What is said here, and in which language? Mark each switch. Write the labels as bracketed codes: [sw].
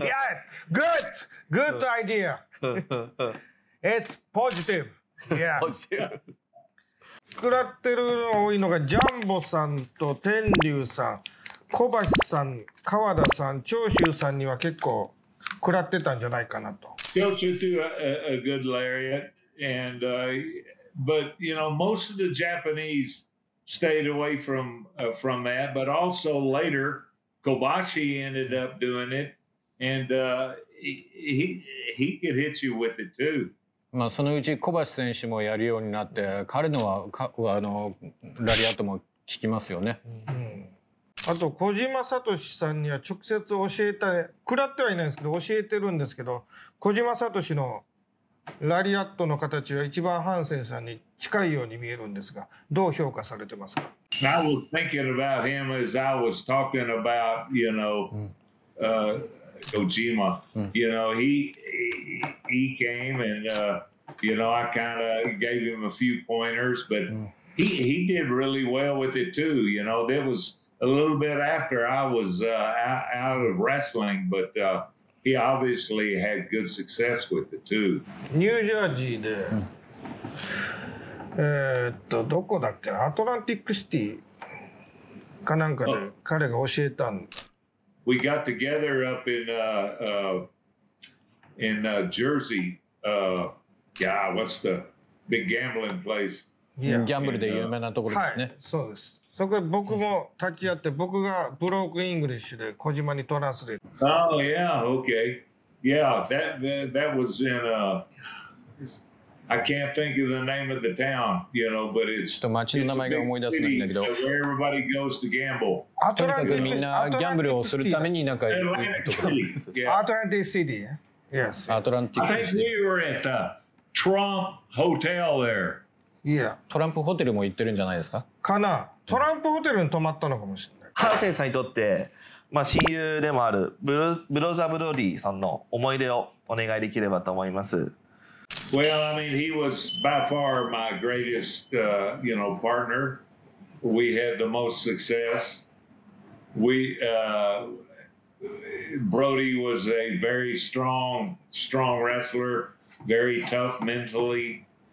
[en] Yes! Good! Good idea! It's positive! Yeah! [ja] 食らってるの多いのがジャンボさんと天龍さん、小橋さん、川田さん、長州さんには結構食らってたんじゃないかなと。 [en] 長州 too, a good lariat. And, but, you know, most of the Japanese... stayed away from that, but also later Kobashi ended up doing it, and he could hit you with it too. [ja] まあそのうち小橋選手もやるようになって、彼のはあのラリアットも聞きますよね、うんうん、あと小島聡さんには直接教えた、食らってはいないんですけど教えてるんですけど、小島聡のラリアットの形は一番ハンセンさんに近いように見えるんですが、どう評価されてますか？ [en] I was thinking about him as I was talking about, you know,、うん、Kojima,、うん、you know, he came and,、you know, I kind of gave him a few pointers, but、うん、he did really well with it too, you know, that was a little bit after I was、out of wrestling, but、he obviously had good success with it too. [ja] ニュージャージーで、どこだっけ、アトランティックシティかなんかで彼が教えたん、 [en] We got together up in Jersey. Yeah, what's the big gambling place? Yeah. [ja] ギャンブルで有名なところですね。はい、そうです。そこで僕も立ち会って、僕がブロークイングリッシュで小島にトランスレート。 [en] Oh, yeah, okay. Yeah, that was in, I can't think of the name of the town, you know, but it's... [ja] ちょっと町の名前が思い出せないんだけど。 [en] Where everybody goes to gamble. [ja] とにかくみんなギャンブルをするためになんか行くとか。アトランティックシティ。 [en] Yes. [ja] アトランティックシティ。 [en] I think we were at the Trump Hotel there. Yeah. [ja] トランプホテルも行ってるんじゃないですか？かな。トランプホテルに泊まったのかもしれない。ハンセンさんにとって、まあ、親友でもあるブロザーブロディさんの思い出をお願いできればと思います。 [en] Well, I mean, he was by far my greatest, you know, partner. We had the most success. Brody was a very strong wrestler, very tough mentally.